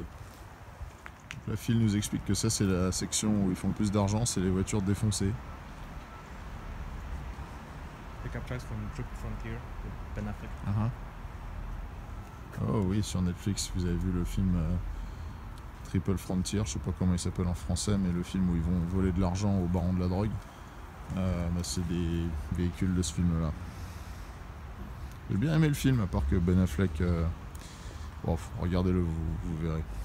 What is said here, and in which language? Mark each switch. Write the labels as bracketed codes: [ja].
[fr] Donc la file nous explique que ça, c'est la section où ils font le plus d'argent, c'est les voitures défoncées. [en] Pick-up tracks from Trip Frontier with Ben Affleck. [fr] Uh-huh. Oh oui, sur Netflix, vous avez vu le film... Triple Frontier, je sais pas comment il s'appelle en français, mais le film où ils vont voler de l'argent au baron de la drogue, bah c'est des véhicules de ce film-là. J'ai bien aimé le film, à part que Ben Affleck... bon, regardez-le, vous verrez.